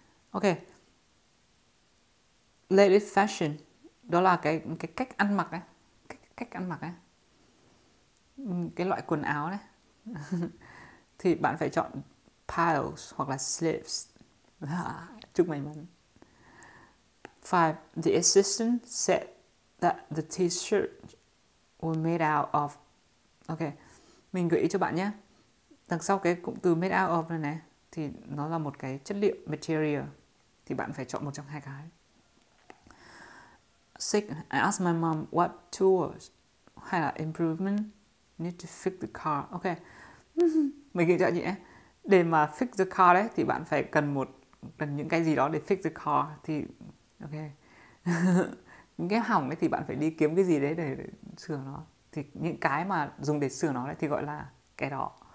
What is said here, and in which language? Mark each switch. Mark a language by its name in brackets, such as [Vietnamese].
[Vietnamese] Ok, latest fashion đó là cái cách ăn mặc ấy, cách ăn mặc ấy, cái loại quần áo đấy. Thì bạn phải chọn piles hoặc là sleeves. Chúc may mắn. 5. [English] The assistant said that the t-shirt was made out of. [Vietnamese] Ok, mình gợi ý cho bạn nhé. Đằng sau cái cụm từ made out of này này, thì nó là một cái chất liệu, material. Thì bạn phải chọn một trong hai cái. 6. [English] I asked my mom what tools hay là improvement need to fix the car. [Vietnamese] Ok, mình nghĩ cho nhỉ. Để mà fix the car đấy thì bạn phải cần những cái gì đó để fix the car. Thì ok, những cái hỏng ấy thì bạn phải đi kiếm cái gì đấy để sửa nó. Thì những cái mà dùng để sửa nó đấy thì gọi là cái đó.